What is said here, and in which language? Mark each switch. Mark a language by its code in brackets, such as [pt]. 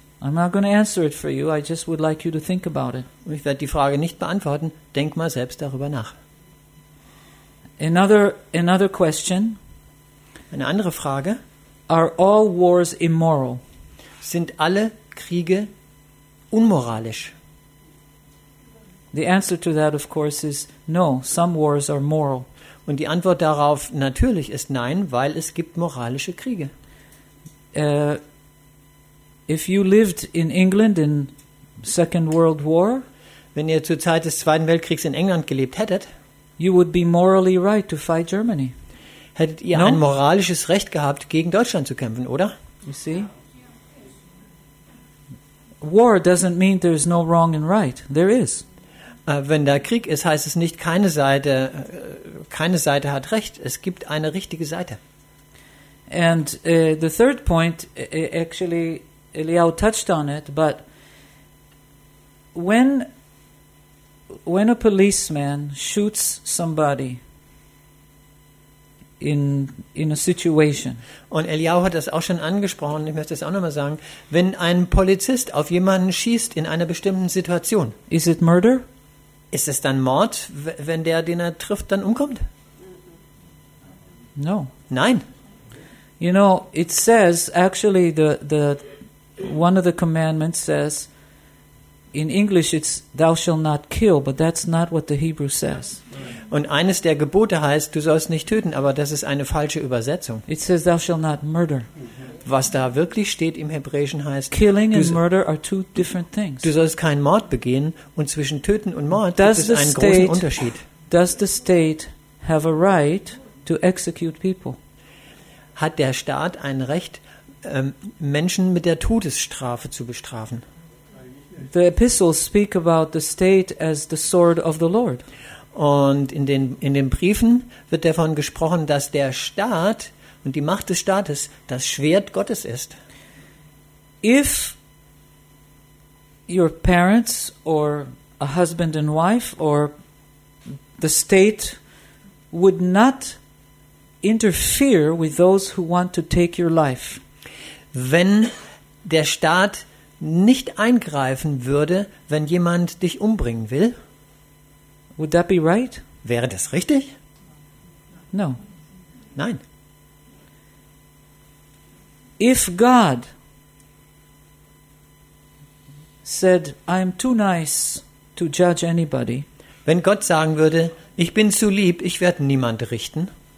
[en] I'm not going to answer it for you. I just would like you to think about it. [de] Ich werde die Frage nicht beantworten. Denk mal selbst darüber nach. [en] Another question. [de] Eine andere Frage. [en] Are all wars immoral? [de] Sind alle Kriege unmoralisch? [en] The answer to that, of course, is no. Some wars are moral. [de] Und die Antwort darauf natürlich ist nein, weil es gibt moralische Kriege. [en] If you lived in England in Second World War, [de] wenn ihr zur Zeit des Zweiten Weltkriegs in England gelebt hättet, [en] you would be morally right to fight Germany. [de] Hättet ihr ein moralisches Recht gehabt, gegen Deutschland zu kämpfen, oder? [en] You see? War doesn't mean there's no wrong and right. There is. [de] Wenn da Krieg ist, heißt es nicht, keine Seite hat recht. Es gibt eine richtige Seite. [en] And the third point, actually, Eliyahu touched on it, but when a policeman shoots somebody in a situation. [de] Und Eliyahu hat das auch schon angesprochen, ich möchte es auch nochmal sagen, wenn ein Polizist auf jemanden schießt in einer bestimmten Situation. [en] Is it murder? [de] Ist es dann Mord, wenn der, den er trifft, dann umkommt? [en] No. [de] Nein. [en] You know, it says, actually, one of the commandments says, in English it's, thou shalt not kill, but that's not what the Hebrew says. [de] Und eines der Gebote heißt, du sollst nicht töten, aber das ist eine falsche Übersetzung. [en] It says, thou shalt not murder. [de] Was da wirklich steht im Hebräischen heißt, [en] killing and murder are two different things. [de] Du sollst keinen Mord begehen, und zwischen Töten und Mord gibt es einen großen Unterschied. [en] Does the state have a right to execute people? [de] Hat der Staat ein Recht, Menschen mit der Todesstrafe zu bestrafen? [en] The epistles speak about the state as the sword of the Lord. [de] Und in den Briefen wird davon gesprochen, dass der Staat und die Macht des Staates das Schwert Gottes ist. [en] If your parents or a husband and wife or the state would not interfere with those who want to take your life. [de] Wenn der Staat nicht eingreifen würde, wenn jemand dich umbringen will, [en] would that be right? [de] Wäre das richtig? [en] No. [de] Nein. [en] If God said, I'm too nice to judge anybody, [de] wenn Gott sagen würde, ich bin zu lieb, ich werde niemand richten,